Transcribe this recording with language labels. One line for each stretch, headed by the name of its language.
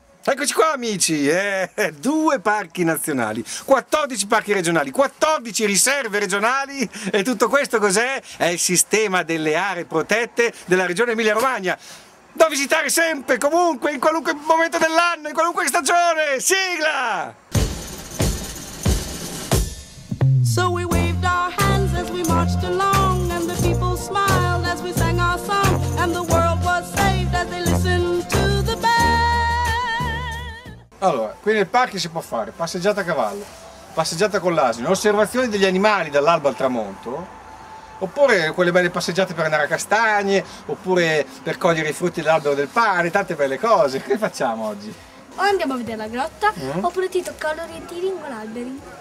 Italian: Eccoci qua amici, due parchi nazionali, 14 parchi regionali, 14 riserve regionali e tutto questo cos'è? È il sistema delle aree protette della regione Emilia-Romagna, da visitare sempre, comunque, in qualunque momento dell'anno, in qualunque stagione. Sigla!
English: So we waved our hands as we marched along and the people smiled as we sang our song and the world was saved as they listened to the bell.
Italian: Allora, qui nel parco si può fare passeggiata a cavallo, passeggiata con l'asino, osservazione degli animali dall'alba al tramonto, oppure quelle belle passeggiate per andare a castagne, oppure per cogliere i frutti dell'albero del pane, tante belle cose. Che facciamo oggi? O andiamo a vedere la grotta, oppure ti tocca lo rientiring con alberi.